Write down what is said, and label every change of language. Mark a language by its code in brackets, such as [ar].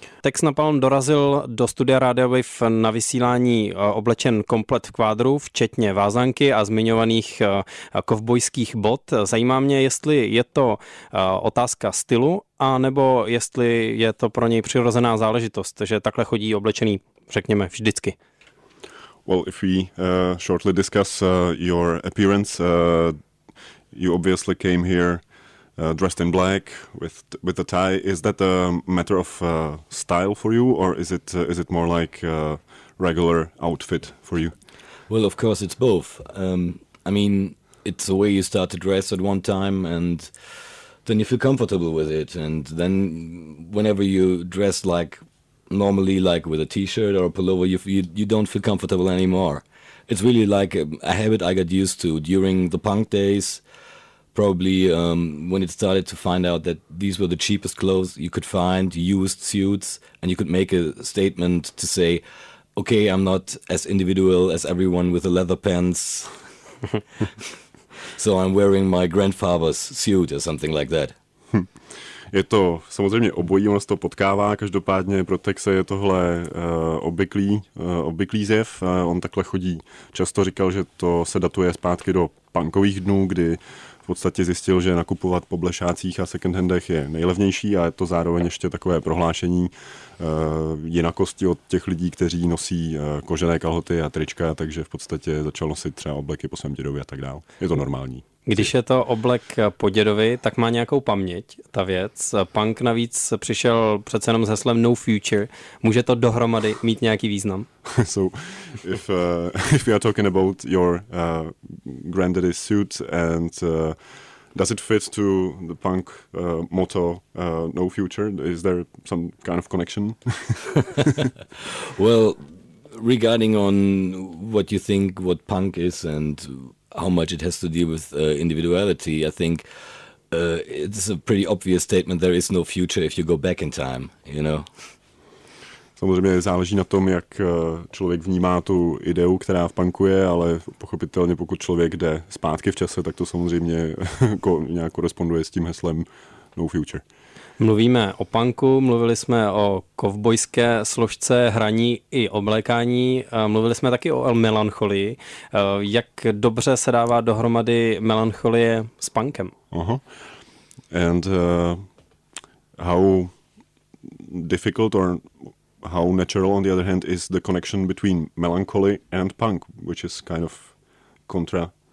[cs] Tex Napalm dorazil do studia Radio Wave na vysílání oblečen komplet v kvádru, včetně vázanky a zmiňovaných kovbojských bot. Zajímá mě, jestli je to otázka stylu, a nebo jestli je to pro něj přirozená záležitost, že takhle chodí oblečený, řekněme, vždycky. [en] Well, if we shortly discuss your appearance, you obviously came here dressed in black with a tie. Is that a matter of style for you, or is it more like a regular outfit for you? Well, of course it's both. I mean, it's the way you start to dress at one time, and then you feel comfortable with it, and then whenever you dress like normally, like with a t-shirt or a pullover, you don't feel comfortable anymore. It's really like a habit I got used to during the punk days. Probably when it started to find out that these were the cheapest clothes you could find, used suits, and you could make a statement to say, okay, I'm not as individual as everyone with the leather pants, so I'm wearing my grandfather's suit or something like that. [cs] Je to samozřejmě obojí, ono se to potkává, každopádně pro Texe je tohle obvyklý zjev, on takhle chodí. Často říkal, že to se datuje zpátky do punkových dnů, kdy v podstatě zjistil, že nakupovat po blešácích a secondhandech je nejlevnější, a je to zároveň ještě takové prohlášení jinakosti od těch lidí, kteří nosí kožené kalhoty a trička, takže v podstatě začal nosit třeba obleky po svém dědovi a tak dál. Je to normální. Když je to oblek po dědovi, tak má nějakou paměť ta věc. Punk navíc přišel přece jenom s heslem No Future. Může to dohromady mít nějaký význam? [en] So, if we are talking about your granddaddy suit, and does it fit to the punk motto No Future? Is there some kind of connection? Well, regarding on what you think what punk is and how much it has to deal with individuality, I think it's a pretty obvious statement. There is no future if you go back in time, you know. [cs] Samozřejmě záleží na tom, jak člověk vnímá tu ideu, která v punku je, ale pochopitelně pokud člověk jde zpátky v čase, tak to samozřejmě nějak koresponduje s tím heslem no future. Mluvíme o punku, mluvili jsme o kovbojské složce hraní i oblékání, mluvili jsme taky o melancholii. Jak dobře se dává dohromady melancholie s punkem? Aha. [en] And how difficult or how natural, on the other hand, is the connection between melancholy and punk, which is kind of contra?